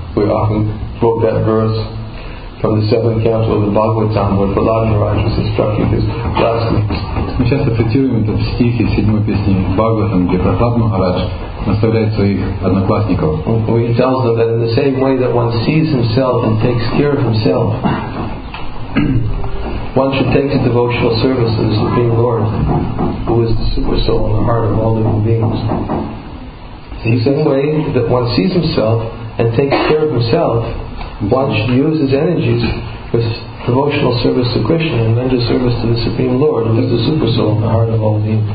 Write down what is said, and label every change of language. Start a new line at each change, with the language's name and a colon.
English: We often quote that verse from the seventh canto of the Bhagavatam, where Balaram Maharaj was instructing his classmates.
Russian: Мы часто цитируем этот стих из седьмой песни Бхагаватам, где Прахлад Махарадж наставляет своих одноклассников.
English: He tells them that in the same way that one sees himself and takes care of himself, one should take the devotional service of the Supreme Lord, who is the super soul in the heart of all living beings. In the same way that one sees himself and takes care of himself, one should use his energies with devotional service to Krishna and render service to the Supreme Lord, who is the super soul in the heart of all beings.